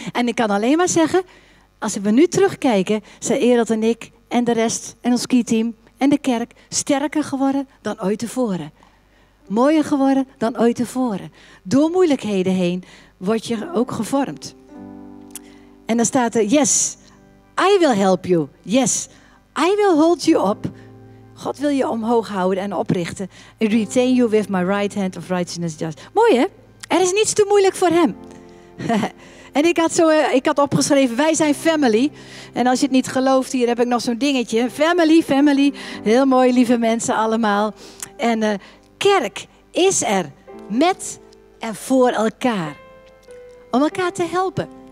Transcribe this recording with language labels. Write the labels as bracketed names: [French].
[Dutch] En ik kan alleen maar zeggen, als we nu terugkijken, zijn Erald en ik en de rest en ons skiteam en de kerk sterker geworden dan ooit tevoren. Mooier geworden dan ooit tevoren. Door moeilijkheden heen word je ook gevormd. En dan staat er, [English] yes, I will help you. Yes, I will hold you up. [Dutch] God wil je omhoog houden en oprichten. [English] And retain you with my right hand of righteousness. [Dutch] Just. Mooi hè? Er is niets te moeilijk voor hem. En ik had opgeschreven, wij zijn family. En als je het niet gelooft, hier heb ik nog zo'n dingetje. Family, family. Heel mooi, lieve mensen allemaal. En kerk is er met en voor elkaar. Om elkaar te helpen.